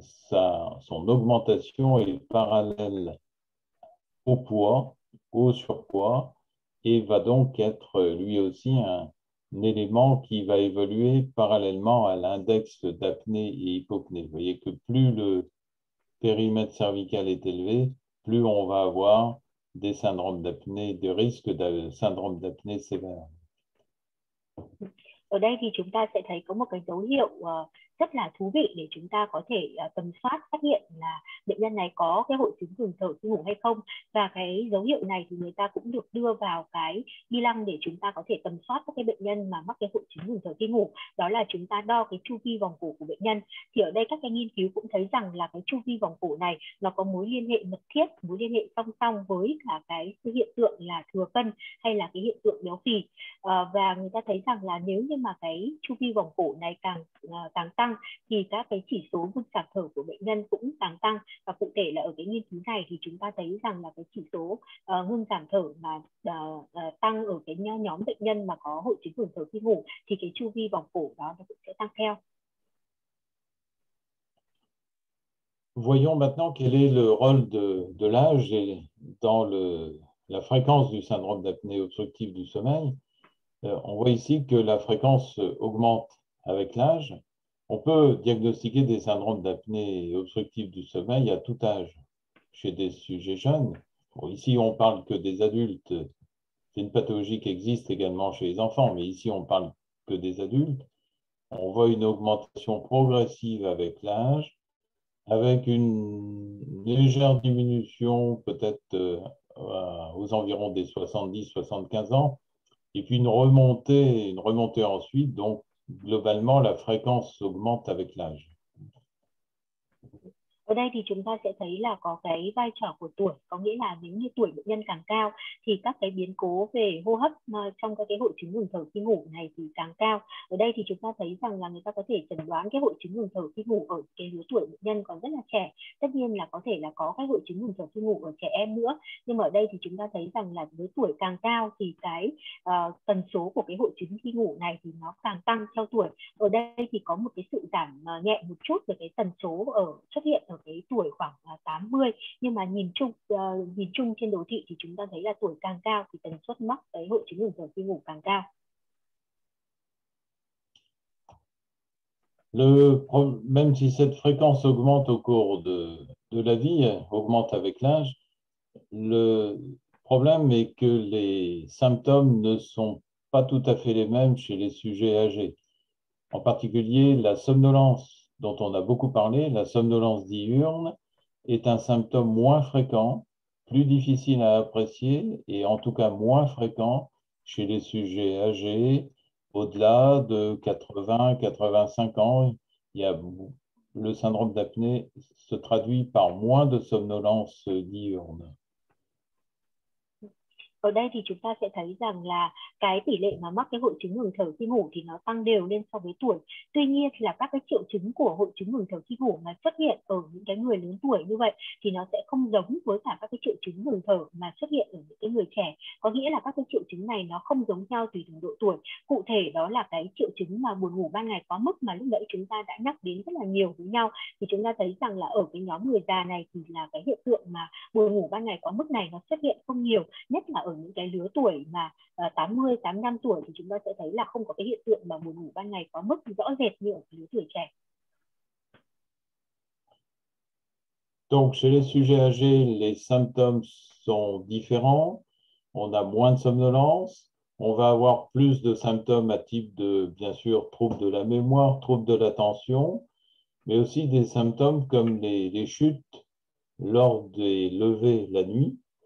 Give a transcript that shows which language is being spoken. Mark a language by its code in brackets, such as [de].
[fr] son augmentation est parallèle au poids, au surpoids, et va donc être lui aussi un élément qui va évoluer parallèlement à l'index d'apnée et hypopnée. Vous voyez que plus le périmètre cervical est élevé, plus on va avoir des syndromes d'apnée, des risques de syndrome d'apnée sévère. [vi] Ở đây thì chúng ta sẽ thấy có một cái dấu hiệu rất là thú vị để chúng ta có thể tầm soát phát hiện là bệnh nhân này có cái hội chứng ngừng thở khi ngủ hay không. Và cái dấu hiệu này thì người ta cũng được đưa vào cái bi lăng để chúng ta có thể tầm soát các cái bệnh nhân mà mắc cái hội chứng ngừng thở khi ngủ. Đó là chúng ta đo cái chu vi vòng cổ của bệnh nhân. Thì ở đây các cái nghiên cứu cũng thấy rằng là cái chu vi vòng cổ này nó có mối liên hệ mật thiết, mối liên hệ song song với cả cái hiện tượng là thừa cân hay là cái hiện tượng béo phì. Và người ta thấy rằng là nếu như mà cái chu vi vòng cổ này càng tăng thì các cái chỉ số ngừng giảm thở của bệnh nhân cũng càng tăng, và cụ thể là ở cái nghiên cứu này thì chúng ta thấy rằng là cái chỉ số ngừng giảm thở mà tăng ở cái nhóm bệnh nhân mà có hội chứng ngừng thở khi ngủ thì cái chu vi vòng cổ đó nó cũng sẽ tăng theo. [fr] Voyons maintenant quel est le rôle de l'âge dans la fréquence du syndrome d'apnée obstructive du sommeil. On voit ici que la fréquence augmente avec l'âge. On peut diagnostiquer des syndromes d'apnée obstructive du sommeil à tout âge, chez des sujets jeunes. Bon, ici, on ne parle que des adultes. C'est une pathologie qui existe également chez les enfants, mais ici, on ne parle que des adultes. On voit une augmentation progressive avec l'âge, avec une légère diminution peut-être aux environs des 70-75 ans, et puis une remontée ensuite, donc globalement la fréquence augmente avec l'âge. [vi] Ở đây thì chúng ta sẽ thấy là có cái vai trò của tuổi, có nghĩa là nếu như tuổi bệnh nhân càng cao thì các cái biến cố về hô hấp trong các cái hội chứng ngừng thở khi ngủ này thì càng cao. Ở đây thì chúng ta thấy rằng là người ta có thể chẩn đoán cái hội chứng ngừng thở khi ngủ ở cái lứa tuổi bệnh nhân còn rất là trẻ. Tất nhiên là có thể là có cái hội chứng ngừng thở khi ngủ ở trẻ em nữa, nhưng mà ở đây thì chúng ta thấy rằng là lứa tuổi càng cao thì cái tần số của cái hội chứng khi ngủ này thì nó càng tăng theo tuổi. Ở đây thì có một cái sự giảm nhẹ một chút về cái tần số xuất hiện ở cái tuổi khoảng 80, nhưng mà nhìn chung trên đồ thị thì chúng ta thấy là tuổi càng cao thì tần suất mắc cái hội chứng ngừng thở khi ngủ càng cao. [fr] Même si cette fréquence augmente au cours de la vie, augmente avec l'âge, le problème est que les symptômes ne sont pas tout à fait les mêmes chez les sujets âgés. En particulier la somnolence dont on a beaucoup parlé, la somnolence diurne, est un symptôme moins fréquent, plus difficile à apprécier et en tout cas moins fréquent chez les sujets âgés au-delà de 80-85 ans. Le syndrome d'apnée se traduit par moins de somnolence diurne. [vi] Ở đây thì chúng ta sẽ thấy rằng là cái tỷ lệ mà mắc cái hội chứng ngừng thở khi ngủ thì nó tăng đều lên so với tuổi. Tuy nhiên là các cái triệu chứng của hội chứng ngừng thở khi ngủ mà xuất hiện ở những cái người lớn tuổi như vậy thì nó sẽ không giống với cả các cái triệu chứng ngừng thở mà xuất hiện ở những cái người trẻ. Có nghĩa là các cái triệu chứng này nó không giống nhau tùy từng độ tuổi. Cụ thể đó là cái triệu chứng mà buồn ngủ ban ngày quá mức mà lúc nãy chúng ta đã nhắc đến rất là nhiều với nhau, thì chúng ta thấy rằng là ở cái nhóm người già này thì là cái hiện tượng mà buồn ngủ ban ngày quá mức này nó xuất hiện không nhiều, nhất là ở những cái lứa tuổi mà 80, 85 tuổi thì chúng ta sẽ thấy là không có cái hiện tượng mà buồn ngủ ban ngày quá mức rõ rệt như ở lứa tuổi trẻ. [fr] Donc, chez les sujets âgés, les symptômes sont différents. On a moins de somnolence. On va avoir plus de symptômes à type de, bien sûr, troubles de la mémoire, troubles de l'attention, mais aussi des symptômes comme les chutes lors des levées la nuit.